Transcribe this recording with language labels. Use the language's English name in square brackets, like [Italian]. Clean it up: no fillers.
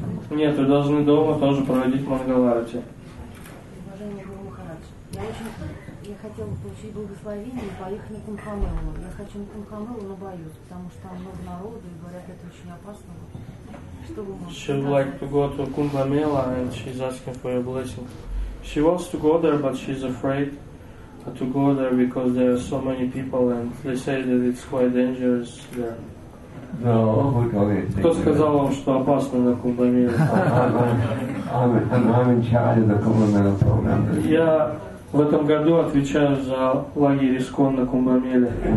[Russian] Нет, вы должны дома тоже проводить Мангаларати. Уважаемый Гуру Махарадж, я хотела получить благословение и поехать на Кумбхамелу. Я хочу на Кумбхамелу, но боюсь, потому что там много народу, и говорят, это очень опасно. [English] She would like to go to Kumbh Mela and she's asking for your blessing. She wants to go there, but she's afraid to go there because there are so many people and they say that it's quite dangerous there. No, okay. [Russian] Кто сказал вам, что опасно на Кумбамиле? [English] I'm in charge of the Kumbamela program. [Russian] Я в этом году отвечаю за лагерь Искон на Кумбамеле.